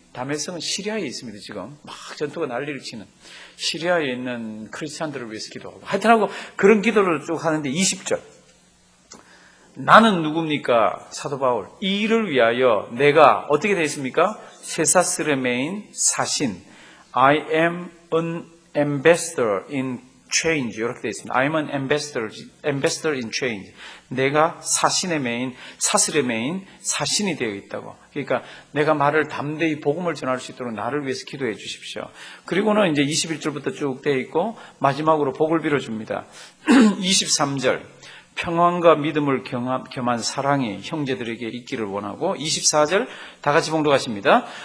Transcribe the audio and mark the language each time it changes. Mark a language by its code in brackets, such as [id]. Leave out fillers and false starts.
[ko] 다메섹은 시리아에 있습니다. 지금 막 전투가 난리를 치는 시리아에 있는 크리스찬들을 위해서 기도하고 하여튼 하고 그런 기도를 쭉 하는데 20절 나는 누굽니까? 사도 바울. 이 일을 위하여 내가 어떻게 되어있습니까? 세사스레 메인 사신. [en] I am an ambassador in chains. [ko] 이렇게 되어있습니다. [en] I am an ambassador in chains. [ko] 내가 사신의 메인, 사슬의 메인 사신이 되어있다고. 그러니까 내가 말을 담대히 복음을 전할 수 있도록 나를 위해서 기도해 주십시오. 그리고는 이제 21절부터 쭉 되어있고 마지막으로 복을 빌어줍니다. 23절. 평안과 믿음을 겸한 사랑이 형제들에게 있기를 원하고 24절 다 같이 봉독하십니다.